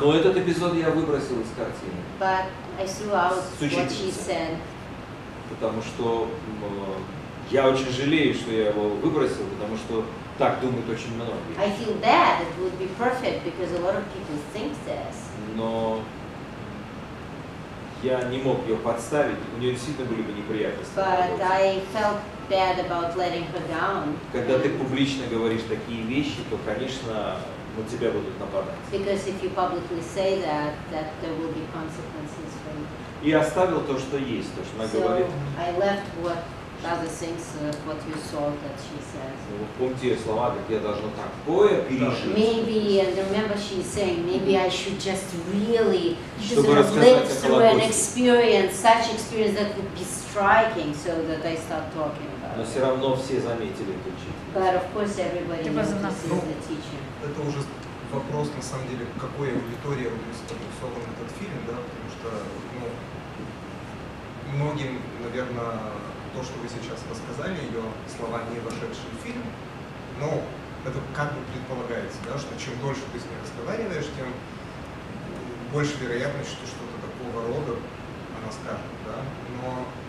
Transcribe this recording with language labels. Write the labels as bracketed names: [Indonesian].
[Russian] Но этот эпизод я выбросил из картины. [English] But I threw out what she said. [Russian] Потому что я очень жалею, что я его выбросил, потому что так думают очень многие. [English] I feel bad. It would be perfect because a lot of people think this. [Russian] Но я не мог ее подставить. У нее действительно были бы неприятности. [English] But I felt bad about letting her down. [Russian] Когда ты публично говоришь такие вещи, то, конечно, на тебя будут нападать. [English] Because if you publicly say that, that there will be consequences for you. [Russian] И оставил то, что есть, то, что она говорит. [English] So I left what other things, what you saw that she says. [Russian] Ну, помните ее слова, как я должна такое пережить. [English] Maybe, and remember she's saying, maybe I should just really just live through an experience, such experience that would be striking, so that I start talking about [Russian] it. Но все равно все заметили эту учительницу. [English] But of course everybody knows this is the teacher. [Russian] Это уже вопрос, на самом деле, какой аудитории будет спродюсован этот фильм, да, потому что, ну, многим, наверное, то, что вы сейчас рассказали, ее слова не вошедшие в фильм, но это как бы предполагается, да, что чем дольше ты с ней разговариваешь, тем больше вероятность, что что-то такого рода она скажет. Да.